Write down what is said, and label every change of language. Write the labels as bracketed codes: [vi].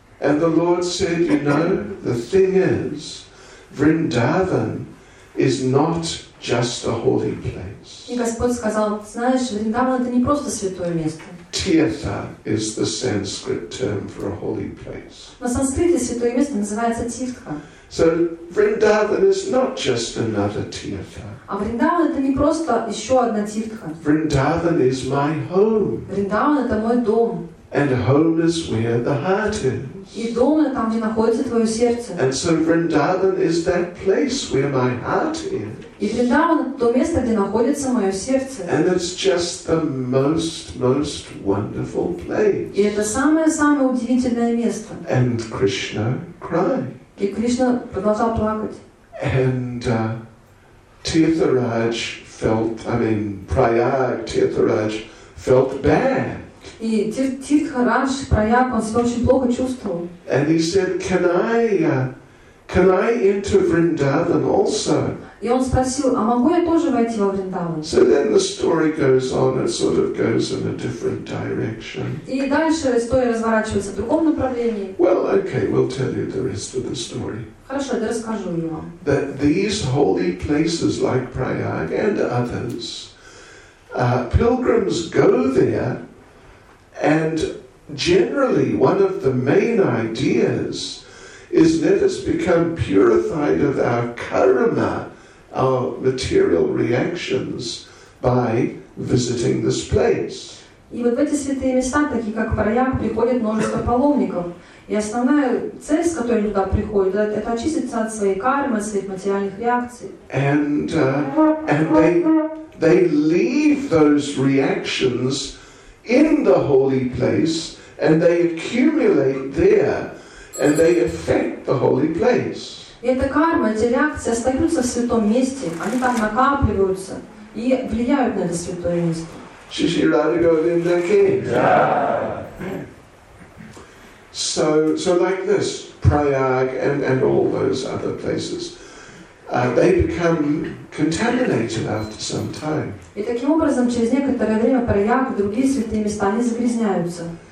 [en] And the Lord said, you know, the thing is, Vrindavan is not just a holy place. [ru] И Господь сказал, знаешь, Вриндаван это не просто святое место. [en] Tirtha is the Sanskrit term for a holy place. [ru] На санскрите святое место называется тиртха. [en] So Vrindavan is not just another Tirtha. [ru] А Вриндаван это не просто еще одна тиртха. [en] Vrindavan is my home. [ru] Вриндаван это мой дом. [en] And home is where the heart is. [ru] И дом это там, где находится твое сердце. [en] And so Vrindavan is that place where my heart is. [ru] И Вриндаван это то место, где находится мое сердце. [en] And it's just the most, most wonderful place. [ru] И это самое-самое удивительное место. [en] And Krishna cried. [ru] И Кришна продолжал плакать. [en] And Tirtharaj felt, I mean, Prayag, Tirtharaj felt bad. [ru] И Тиртхарадж, Прояг, он себя очень плохо чувствовал. [en] And he said, can I enter Vrindavan also? [ru] И он спросил, а могу я тоже войти во Вриндаван? [en] So then the story goes on, it sort of goes in a different direction. [ru] И дальше история разворачивается в другом направлении. [en] Well, okay, we'll tell you the rest of the story. [ru] Хорошо, я расскажу ему. [en] That these holy places like Prayag and others, pilgrims go there. And generally, one of the main ideas is let us become purified of our karma, our material reactions, by visiting this place. [ru] И вот в эти святые места, такие как Прояг, приходит множество паломников. И основная цель, с которой туда приходят, это очиститься от своей кармы, от своих материальных реакций. [en] And they leave those reactions in the holy place, and they accumulate there, and they affect the holy place. [ru] Эта карма, эти реакции остаются в святом месте, они там накапливаются и влияют на это святое место. [hi] Шри Радха Говинда ки. [en] So like this, Prayag and all those other places, they become contaminated after some time. [ru] И таким образом, через некоторое время Прояг и другие святые места они загрязняются.